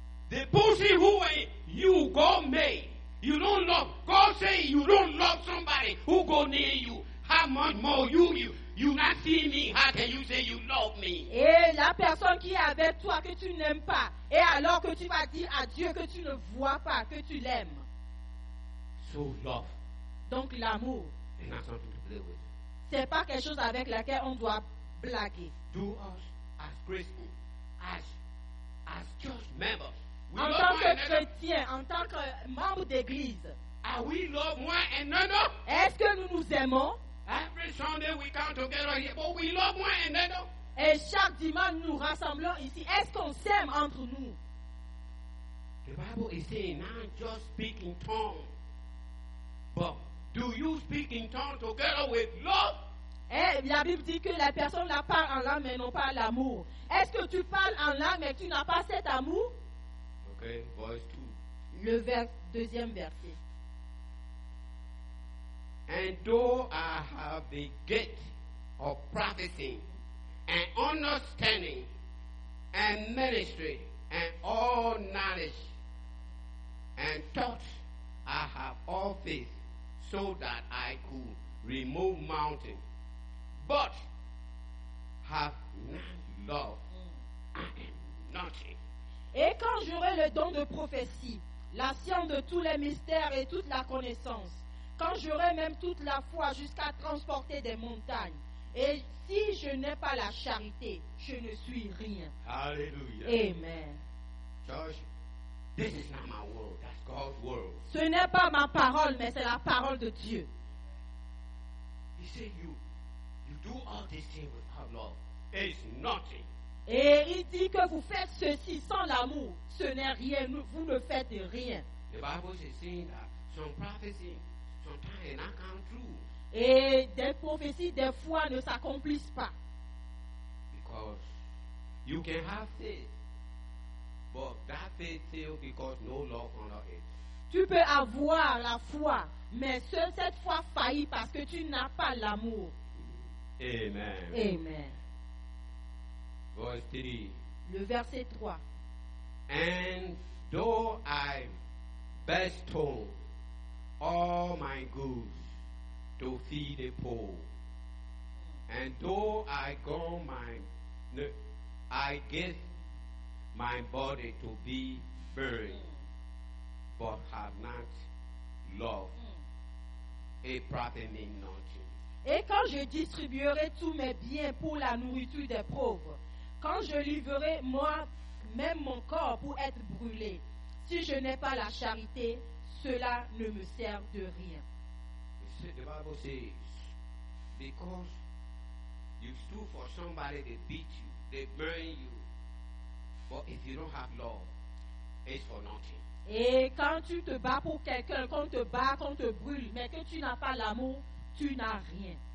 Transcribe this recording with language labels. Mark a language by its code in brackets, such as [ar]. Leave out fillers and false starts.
[en] The person who you God made, You don't love. God say you don't love somebody who go near you. How much more you not see me? How can you say you love me? [fr] Et la personne qui est avec toi que tu n'aimes pas, et alors que tu vas dire à Dieu que tu ne vois pas que tu l'aimes. [en] So love. [fr] Donc l'amour. [en] It's not something to play with. [fr] C'est pas quelque chose avec laquelle on doit blaguer. [en] Do us as Christians, as church members. [fr] We en tant que chrétien, en tant que membre d'église, [en] are we love one another? [fr] Est-ce que nous nous aimons? [en] Every Sunday we come together here, but we love one another. [fr] Et chaque dimanche nous rassemblons ici. Est-ce qu'on s'aime entre nous? [en] The Bible is saying, "Now just speak in tongues." But do you speak in tongues together with love? [fr] Et la Bible dit que la personne la parle en langue mais non pas l'amour. Est-ce que tu parles en langue mais tu n'as pas cet amour? [en] Okay, verse 2. [fr] Le deuxième verset. [en] And though I have the gift of prophesying and understanding and ministry and all knowledge and thoughts, I have all faith so that I could remove mountains, but have not love, I am nothing. [fr] Et quand j'aurai le don de prophétie, la science de tous les mystères et toute la connaissance, quand j'aurai même toute la foi jusqu'à transporter des montagnes, et si je n'ai pas la charité, je ne suis rien. Alléluia. [en] Amen. Church, this is not my world, that's God's world. [fr] Ce n'est pas ma parole, mais c'est la parole de Dieu. [en] He said, you do all these things without love. It's nothing. [fr] Et il dit que vous faites ceci sans l'amour, ce n'est rien, vous ne faites rien. [en] The Bible is saying that some prophecies sometimes not come true. [fr] Et des prophéties des fois ne s'accomplissent pas. [en] Because you can have faith, but that faith fails because no love under it. [fr] Tu peux avoir la foi, mais cette foi faillit parce que tu n'as pas l'amour. [en] Amen. Amen. Verse 3. [fr] Le verset 3. [en] And though I bestow all my goods to feed the poor, and though I give my body to be buried, but have not love, it profit me nothing. [fr] Et quand je distribuerai tous mes biens pour la nourriture des pauvres, quand je livrerai moi-même mon corps pour être brûlé, si je n'ai pas la charité, cela ne me sert de rien. [en] The Bible says, because you stood for somebody, they beat you, they burn you. But if you don't have love, it's for nothing. [fr] Et quand tu te bats pour quelqu'un, qu'on te bat, qu'on te brûle, mais que tu n'as pas l'amour, tu n'as rien.